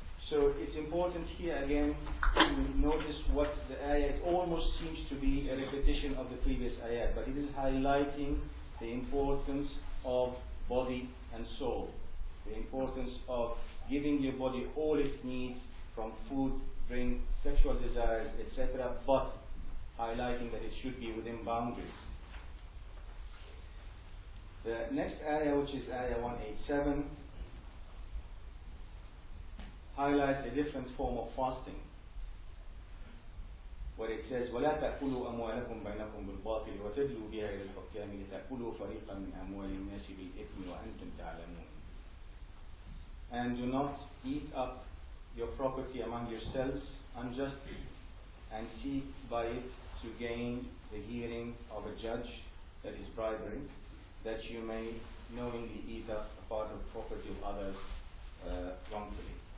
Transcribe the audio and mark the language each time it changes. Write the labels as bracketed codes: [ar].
[en] So it's important here again to notice what the ayat almost seems to be a repetition of the previous ayat, but it is highlighting the importance of body and soul, the importance of giving your body all its needs from food, drink, sexual desires, etc., but highlighting that it should be within boundaries. The next ayah, which is ayah 187, highlights a different form of fasting, where it says, [ar] وَلَا تَأْكُلُوا أَمْوَالَكُمْ بَيْنَكُمْ بِالْبَاطِلِ وَتَدْلُوا بِهَا إِلَى الْحُكَّامِ لِتَأْكُلُوا فَرِيقًا مِنْ أَمْوَالِ النَّاسِ بِالْإِثْمِ وَأَنْتُمْ تَعْلَمُونَ. [en] And do not eat up your property among yourselves unjustly, and seek by it to gain the hearing of a judge, that is bribery, that you may knowingly eat up a part of property of others wrongfully.